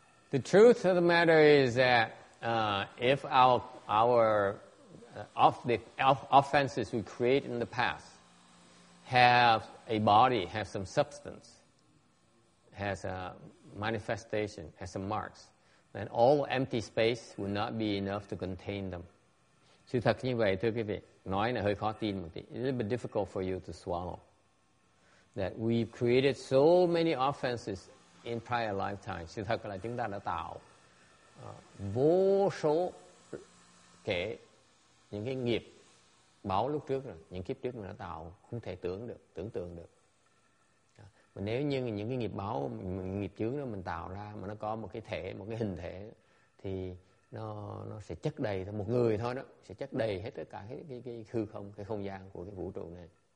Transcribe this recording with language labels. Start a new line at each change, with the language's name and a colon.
English: The truth of the matter is that if our offenses we create in the past have a body, have some substance, has a manifestation, has some marks, then all empty space will not be enough to contain them.
Vietnamese: Sự thật như vậy, thưa quý vị, nói là hơi khó tin một tí.
English: It's a bit difficult for you to swallow. That we've created so many offenses in prior lifetimes.
Vietnamese: Sự thật là chúng ta đã tạo vô số kể những cái nghiệp báo lúc trước rồi, những kiếp trước mình đã tạo không thể tưởng tượng được. Mà nếu như những cái nghiệp báo, nghiệp chướng đó mình tạo ra mà nó có một cái thể, một cái hình thể thì nó sẽ chất đầy thôi, một người thôi đó sẽ chất đầy hết tất cả cái hư không, cái không gian của cái vũ trụ này.